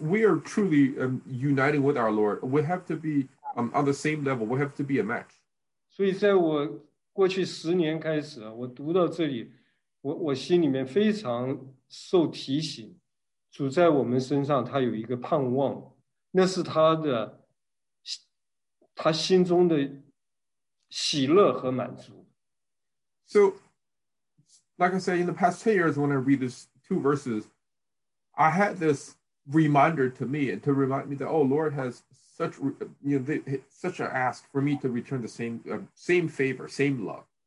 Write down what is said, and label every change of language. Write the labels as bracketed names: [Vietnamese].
[English] we are truly uniting with our Lord, we have to be on the same level, we have to be a match. [Chinese] 所以在我 过去十年开始，我读到这里，我心里面非常受提醒。主在我们身上，他有一个盼望，那是他的他心中的喜乐和满足。 [English] So, like I said, in the past 10 years, when I read these two verses, I had this reminder to me and to remind me that, oh, Lord has such you know such an ask for me to return the same favor, same love.